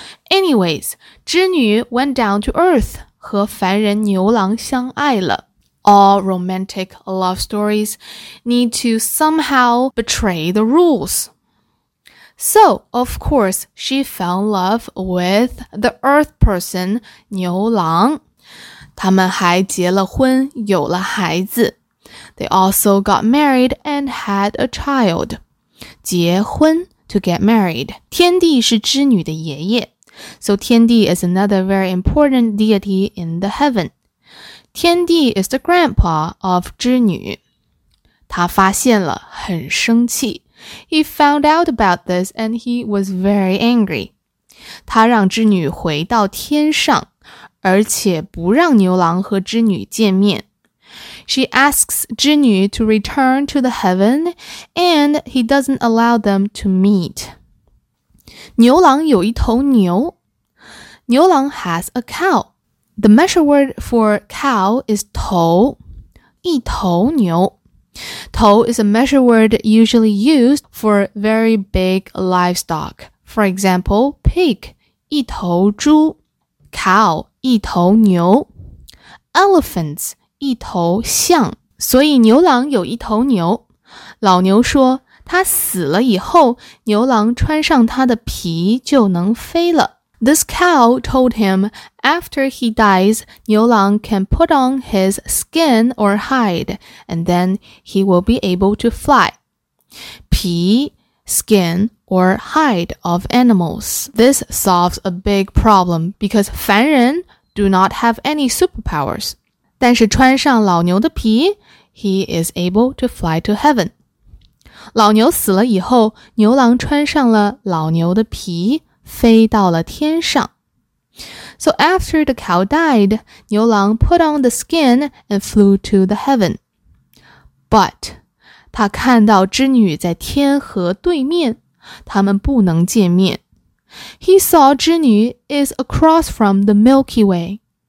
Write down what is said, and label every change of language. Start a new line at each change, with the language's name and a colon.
English: Anyways, 织女 went down to earth
Chinese: 和凡人牛郎相爱了。
English: All romantic love stories need to somehow betray the rules. So, of course, she fell in love with the earth person, 牛郎.
Chinese: 他们还结了婚,有了孩子.
English: They also got married and had a child. 结婚 to get married.
Chinese: 天帝是织女的爷爷.
English: So, 天帝 is another very important deity in the heaven. 天帝 is the grandpa of 织女。
Chinese: 他发现了很生气。
English: He found out about this and he was very angry.
Chinese: 他让织女回到天上,而且不让牛郎和织女见面。
English: She asks 织女 to return to the heaven and he doesn't allow them to meet.
Chinese: 牛郎有一头牛。牛郎
English: has a cow. The measure word for cow is 头,一头牛。头 is a measure word usually used for very big livestock. For example, pig, 一头猪, cow, 一头牛, elephants, 一头象。
Chinese: 所以牛郎有一头牛。老牛说,他死了以后,牛郎穿上他的皮就能飞了。
English: This cow told him, after he dies, 牛郎 can put on his skin or hide, and then he will be able to fly. 皮, skin, or hide of animals. This solves a big problem, because 凡人 do not have any superpowers.
Chinese: 但是穿上老牛的皮,
English: he is able to fly to heaven.
Chinese: 老牛死了以后,牛郎穿上了老牛的皮,飞到了天上。
English: So after the cow died, 牛郎 put on the skin and flew to the heaven.
Chinese: But, 他看到织女在天河对面,他们不能见面。
English: He saw 织女 is across from the Milky Way.